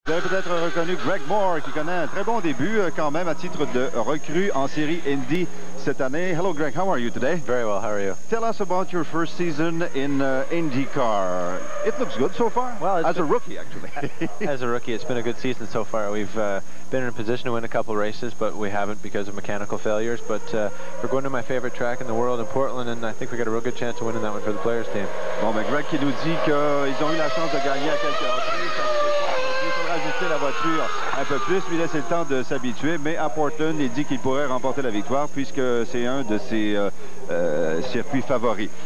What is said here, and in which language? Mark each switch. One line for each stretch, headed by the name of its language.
French: Vous avez peut-être reconnu Greg Moore, qui connaît un très bon début quand même à titre de recrue en série Indy cette année.
English: Hello, Greg. How are you today? Very well. How are you? Tell us about your first season in Indy Car. It looks good so far. Well, as a rookie, actually. As a rookie, it's been a good season so far. We've been in a position to win a couple races, but we haven't because of mechanical failures. But we're going to my favorite track in the world in Portland, and I think we got a real good chance of winning that one for the players' team.
French: Bon, mais Greg qui nous dit qu'ils ont eu la chance de gagner à quelques reprises. Ajuster la voiture un peu plus, lui laisser le temps de s'habituer, mais à Portland, il dit qu'il pourrait remporter la victoire puisque c'est un de ses circuits favoris.